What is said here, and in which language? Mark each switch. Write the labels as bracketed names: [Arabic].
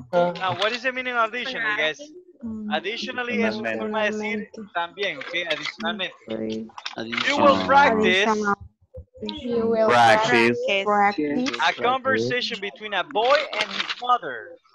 [English] Now, what is the meaning of additionally, guys? [Spanish] Additionally, es una forma de decir también, ok, adicionalmente. [English] You will practice. You will practice. Practice. A conversation between a boy and his mother.